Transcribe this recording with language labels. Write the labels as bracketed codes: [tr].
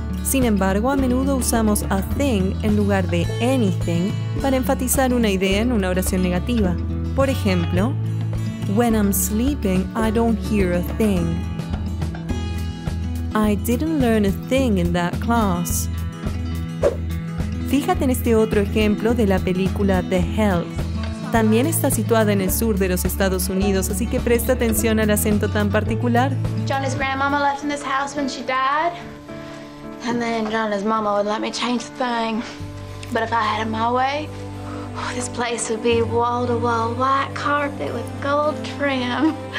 [es] Sin embargo, a menudo usamos a thing en lugar de anything para enfatizar una idea en una oración negativa. Por ejemplo, [en] when I'm sleeping, I don't hear a thing. I didn't learn a thing in that class. [es] Fíjate en este otro ejemplo de la película The Help. También está situada en el sur de los Estados Unidos, así que presta atención al acento tan particular. [en] Johnny's grandmama left in this house when she died. And then Johnny's mama would let me change the thing. But if I had it my way, this place would be wall-to-wall white carpet with gold trim.